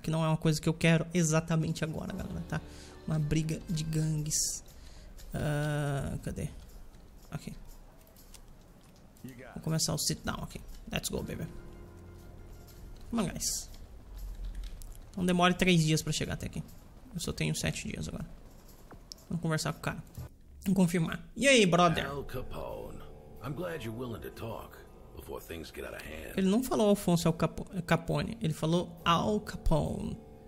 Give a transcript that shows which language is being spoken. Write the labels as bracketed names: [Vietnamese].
[Portuguese] Que não é uma coisa que eu quero exatamente agora, galera, tá? Uma briga de gangues. Cadê? Ok. Vou começar o sit-down aqui. [English] Let's go, baby. Come on, guys. [Portuguese] Não demore 3 dias pra chegar até aqui. Eu só tenho 7 dias agora. Vamos conversar com o cara. Vamos confirmar. E aí, brother? Al Capone. [English] I'm glad you're willing to talk before things get out of hand. [Portuguese] Ele não falou Alfonso Al Capone. Ele falou Al Capone.